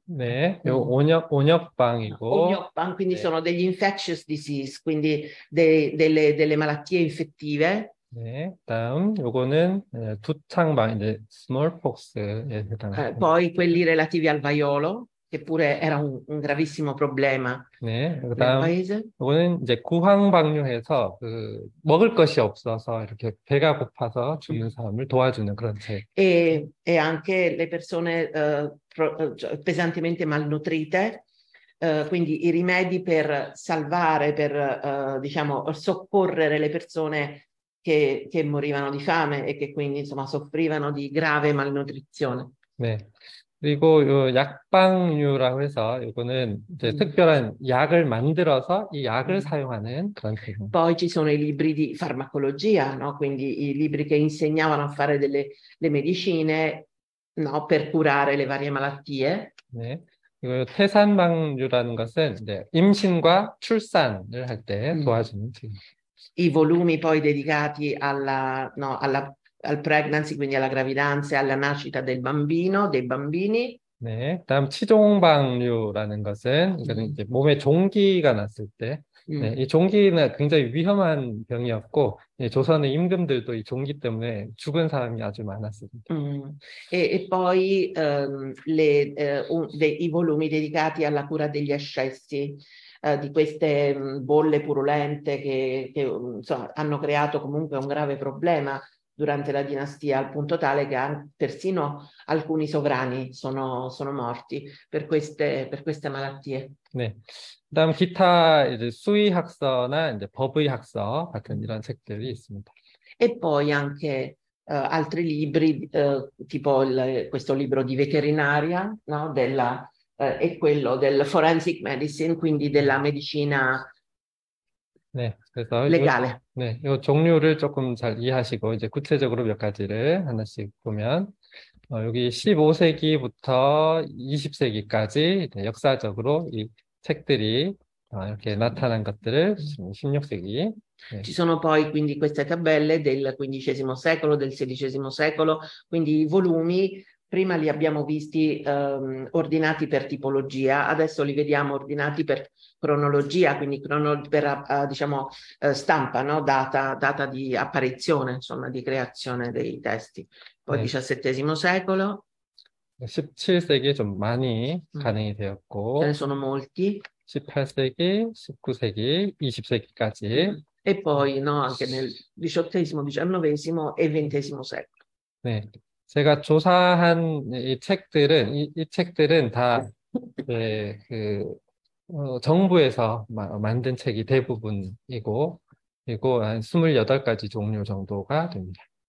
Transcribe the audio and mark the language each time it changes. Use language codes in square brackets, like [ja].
[ko] 네, 요 온역방이고 [it] onyokpan, quindi sono degli infectious disease, quindi delle malattie infettive. [ko] 네, 다음 요거는 두창방, 이제 스몰폭스에 해당하는 [it] Poi quelli relativi al vaiolo, che pure era un gravissimo problema [ko] 겁니다. 네, [it] nel [ko] 그다음 [it] paese. [ko] 요거는 이제 구황방뇨해서 그 먹을 것이 없어서 이렇게 배가 고파서 죽는 사람을 도와주는 그런 책. [it] E anche le persone pesantemente malnutrite, quindi i rimedi per salvare, per diciamo, soccorrere le persone che morivano di fame e che quindi insomma, soffrivano di grave malnutrizione. 네. [ko] 그리고 요 약방류라고 해서 요거는 이제 특별한 약을 만들어서 이 약을 사용하는 그런 책입니다. [it] Poi ci sono i libri di farmacologia, no? Quindi i libri che insegnavano a fare delle medicine, no? Per curare le varie malattie. 네. [ko] 그리고 태산방류라는 것은 이제 임신과 출산을 할때 도와주는 책입니다. [it] I volumi poi dedicati al pregnancy, quindi alla gravidanza e alla nascita del bambino, dei bambini. [ko] 네, 다음 치종방류라는 것은 이거는 이제 몸에 종기가 났을 때, 네, 이 종기는 굉장히 위험한 병이었고, 네, 조선의 임금들도 이 종기 때문에 죽은 사람이 아주 많았습니다. [it] E poi i volumi dedicati alla cura degli ascessi, di queste bolle purulente che insomma, hanno creato comunque un grave problema durante la dinastia, al punto tale che persino alcuni sovrani sono morti per queste malattie. 네. [ko] 그다음 기타 이제 수의학서나 이제 법의학서 같은 이런 책들이 있습니다. [it] E poi anche altri libri, tipo questo libro di veterinaria, no? E quello del forensic medicine, quindi della medicina [ko] 네. 그래서 요 [it] legale. 네. [ko] 요 종류를 조금 잘 이해하시고 이제 구체적으로 몇 가지를 하나씩 보면 여기 15세기부터 20세기까지 네, 역사적으로 이 책들이 이렇게 나타난 것들을 16세기. [it] Ci sono poi quindi queste tabelle del XV secolo, del XVI secolo, quindi i volumi prima li abbiamo visti ordinati per tipologia, adesso li vediamo ordinati per cronologia, quindi per diciamo, stampa, no? Data di apparizione, insomma, di creazione dei testi. Poi Sì. 네. XVII secolo. [ko] 17세기에 좀 많이 가능이 [it] Ce ne [ko] 되었고, [it] sono molti. [ko] 18세기, 19세기, 20세기까지. 네. [it] E poi no, anche nel XVIII, XIX e XX secolo. [ko] 제가 조사한 이 책들은, 이 책들은 다, 네, 정부에서 만든 책이 대부분이고, 그리고 한 28가지 종류 정도가 됩니다.